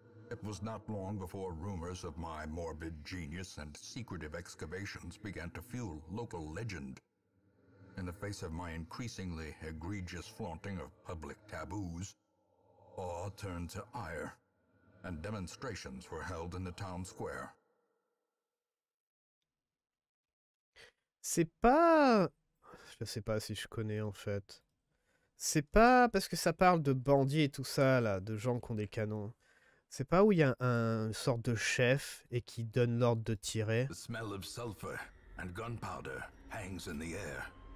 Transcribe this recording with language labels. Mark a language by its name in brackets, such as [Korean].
[English] It was not long before rumors of my morbid genius and secretive excavations began to fuel local legend. In the face of my increasingly egregious flaunting of public taboos, awe turned to ire, and demonstrations were held in the town square. [French] C'est pas... Je sais pas si je connais, en fait. C'est pas parce que ça parle de bandits et tout ça, là, de gens qui ont des canons. C'est pas où il y a une sorte de chef et qui donne l'ordre de tirer. [English] The smell of sulfur and gunpowder hangs in the air.